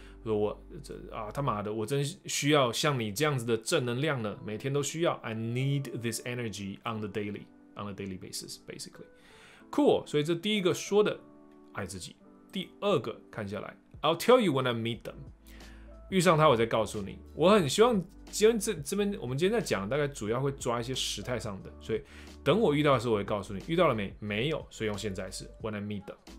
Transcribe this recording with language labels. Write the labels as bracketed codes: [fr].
[zh] 我这啊他妈的，我真需要像你这样子的正能量呢，每天都需要。 [en] I need this energy on the daily basis, basically. Cool. [zh] 所以这第一个说的爱自己。第二个看下来 ， [en] I'll tell you when I meet them. [zh] 遇上他，我再告诉你。我很希望今天这边我们今天在讲，大概主要会抓一些时态上的。所以等我遇到的时候，我会告诉你遇到了没？没有，所以用现在式 [en] when I meet them。